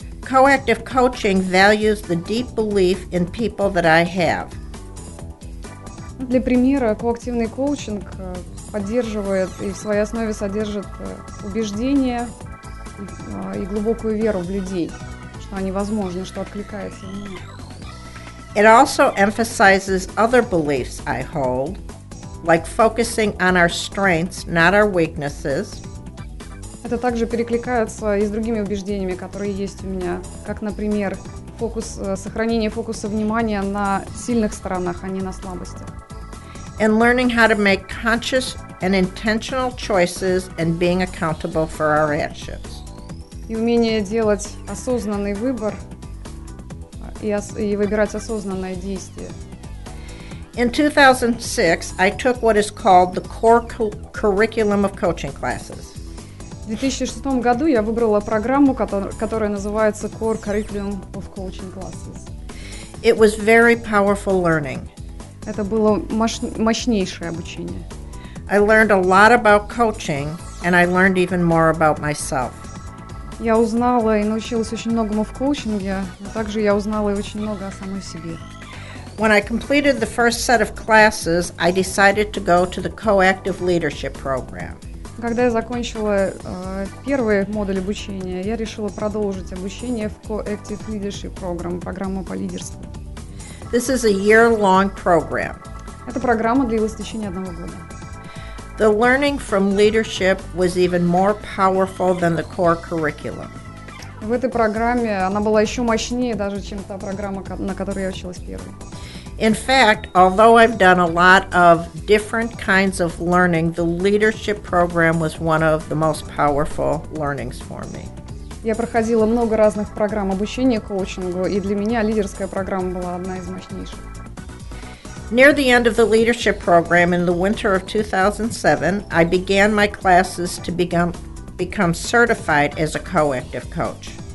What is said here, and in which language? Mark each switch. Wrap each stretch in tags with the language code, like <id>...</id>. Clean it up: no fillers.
<en>Coactive coaching values the deep belief in people that I have.</en> <ru>Для примера, коактивный коучинг поддерживает и в своей основе содержит убеждения и глубокую веру в людей, что они возможны, что откликается в них.</ru> <en>It also emphasizes other beliefs I hold, like focusing on our strengths, not our weaknesses.</en> <ru>Это также перекликается и с другими убеждениями, которые есть у меня, как, например, сохранение фокуса внимания на сильных сторонах, а не на слабостях.</ru> <en>And learning how to make conscious and intentional choices and being accountable for our actions.</en> <ru>И умение делать осознанный выбор и выбирать осознанное действие.</ru> <en>In 2006, I took what is called the core curriculum of coaching classes.</en> <ru>В 2006 году я выбрала программу, которая называется Core Curriculum of Coaching Classes.</ru> <en>It was very powerful learning.</en> <ru>Это было мощнейшее обучение.</ru> <en>I learned a lot about coaching, and I learned even more about myself.</en> <ru>Я узнала и научилась очень многому в коучинге, а также я узнала и очень много о самой себе.</ru> <en>When I completed the first set of classes, I decided to go to the Coactive Leadership Program.</en> <ru>Когда я закончила первый модуль обучения, я решила продолжить обучение в Coactive Leadership Program, программу по лидерству.</ru> <en>This is a year-long program.</en> <ru>Эта программа длилась в течение одного года.</ru> <en>The learning from leadership was even more powerful than the core curriculum.</en> <ru>В этой программе она была еще мощнее даже, чем та программа, на которой я училась первой.</ru> <en>In fact, although I've done a lot of different kinds of learning, the leadership program was one of the most powerful learnings for me.</en> <ru>Я проходила много разных программ обучения коучингу, и для меня лидерская программа была одна из мощнейших.</ru> <en>Near the end of the leadership program in the winter of 2007, I began my classes to become certified as a coactive coach.</en>